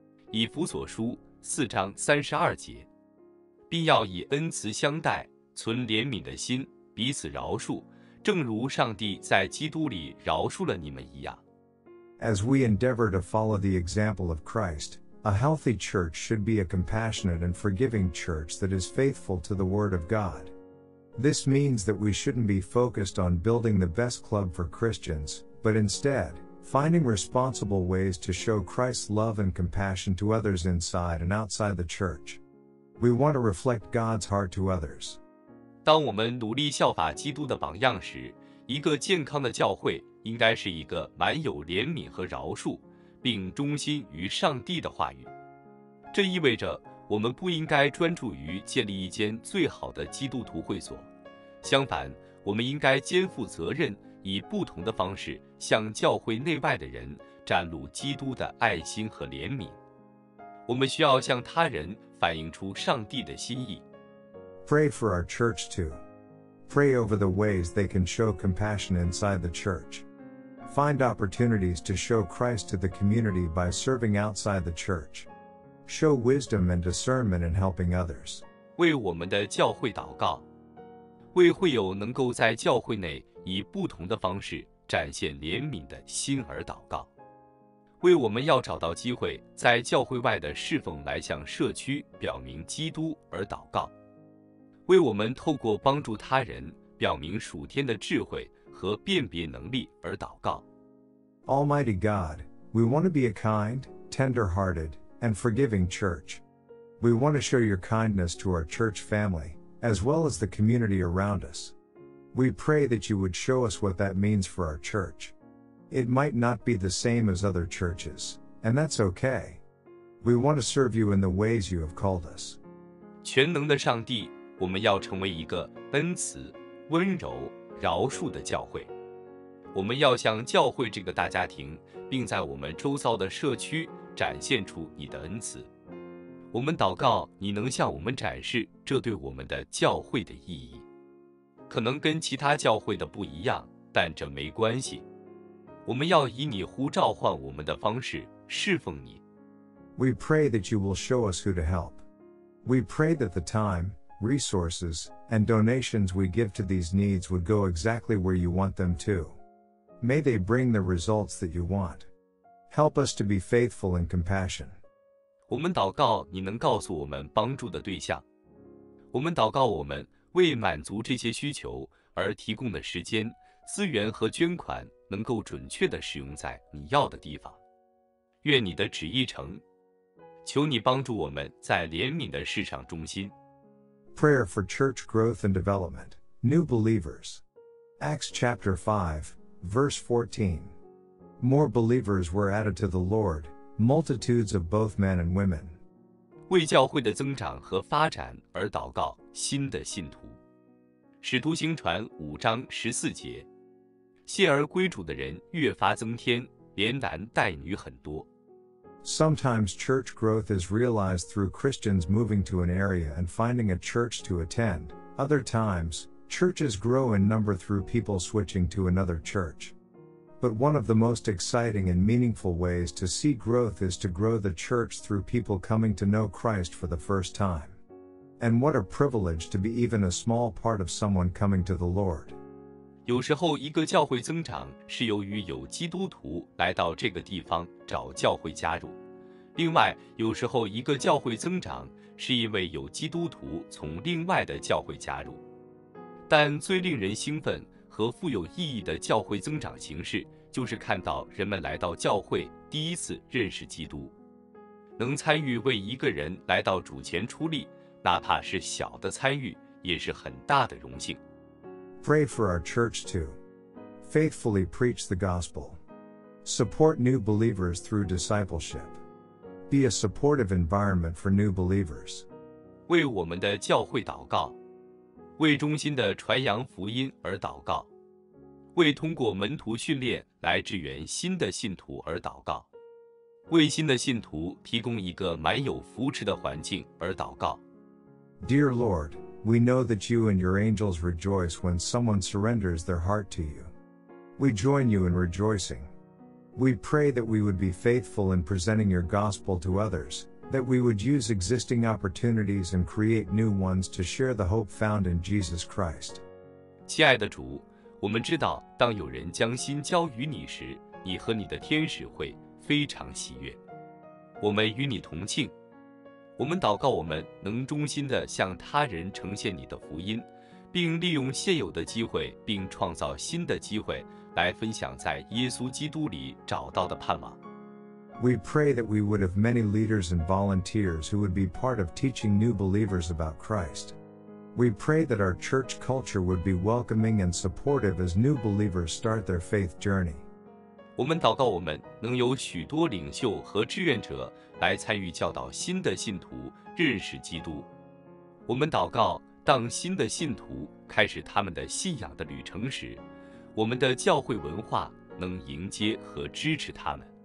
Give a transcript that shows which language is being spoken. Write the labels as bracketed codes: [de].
[zh] 以弗所书四章三十二节，并要以恩慈相待，存怜悯的心，彼此饶恕。正如上帝在基督里饶恕了你们一样。 [en] As we endeavor to follow the example of Christ, a healthy church should be a compassionate and forgiving church that is faithful to the Word of God. This means that we shouldn't be focused on building the best club for Christians, but instead, finding responsible ways to show Christ's love and compassion to others inside and outside the church. We want to reflect God's heart to others. [zh] 当我们努力效法基督的榜样时，一个健康的教会应该是一个满有怜悯和饶恕，并忠心于上帝的话语。这意味着我们不应该专注于建立一间最好的基督徒会所，相反，我们应该肩负责任，以不同的方式向教会内外的人展露基督的爱心和怜悯。我们需要向他人反映出上帝的心意。 [en] Pray for our church too. Pray over the ways they can show compassion inside the church. Find opportunities to show Christ to the community by serving outside the church. Show wisdom and discernment in helping others. [zh] 为我们的教会祷告，为会友能够在教会内以不同的方式展现怜悯的心而祷告，为我们要找到机会在教会外的侍奉来向社区表明基督而祷告。为我们透过帮助他人表明属天的智慧和辨别能力而祷告。 [en] Almighty God, we want to be a kind, tender-hearted, and forgiving church. We want to show your kindness to our church family, as well as the community around us. We pray that you would show us what that means for our church. It might not be the same as other churches, and that's okay. We want to serve you in the ways you have called us. [zh] 全能的上帝，我们要成为一个恩慈、温柔、饶恕的教会。我们要向教会这个大家庭，并在我们周遭的社区展现出你的恩慈。我们祷告你能向我们展示这对我们的教会的意义。可能跟其他教会的不一样，但这没关系。我们要以你呼召唤我们的方式侍奉你。 [en] We pray that you will show us who to help. We pray that the time, resources, and donations we give to these needs would go exactly where you want them to. May they bring the results that you want. Help us to be faithful in compassion. [zh] 我们祷告你能告诉我们帮助的对象。我们祷告我们为满足这些需求而提供的时间、资源和捐款能够准确地使用在你要的地方。愿你的旨意成。求你帮助我们在怜悯的市场中心。 [en] Prayer for Church Growth and Development, New Believers. Acts chapter 5, verse 14. More believers were added to the Lord, multitudes of both men and women. [zh] 为教会的增长和发展而祷告新的信徒。使徒行传五章十四节。信而归主的人越发增添，连男带女很多。 [en] Sometimes church growth is realized through Christians moving to an area and finding a church to attend. Other times, churches grow in number through people switching to another church. But one of the most exciting and meaningful ways to see growth is to grow the church through people coming to know Christ for the first time. And what a privilege to be even a small part of someone coming to the Lord. [zh] 有时候一个教会增长是由于有基督徒来到这个地方找教会加入。另外，有时候一个教会增长是因为有基督徒从另外的教会加入。但最令人兴奋和富有意义的教会增长形式就是看到人们来到教会第一次认识基督。能参与为一个人来到主前出力，哪怕是小的参与，也是很大的荣幸。 [en] Pray for our church too. Faithfully preach the gospel. Support new believers through discipleship. Be a supportive environment for new believers. [zh] 为我们的教会祷告，为忠心的传扬福音而祷告，为通过门徒训练来支援新的信徒而祷告，为新的信徒提供一个满有扶持的环境而祷告。 [en] Dear Lord, We know that you and your angels rejoice when someone surrenders their heart to you. We join you in rejoicing. We pray that we would be faithful in presenting your gospel to others, that we would use existing opportunities and create new ones to share the hope found in Jesus Christ. [zh] 亲爱的主，我们知道当有人将心交于你时，你和你的天使会非常喜悦。我们与你同庆。我们祷告我们能忠心地向他人呈现你的福音，并利用现有的机会，并创造新的机会来分享在耶稣基督里找到的盼望。 [en] We pray that we would have many leaders and volunteers who would be part of teaching new believers about Christ. We pray that our church culture would be welcoming and supportive as new believers start their faith journey. [zh] 我们祷告我们能有许多领袖和志愿者来参与教导新的信徒认识基督。我们祷告，当新的信徒开始他们的信仰的旅程时，我们的教会文化能迎接和支持他们。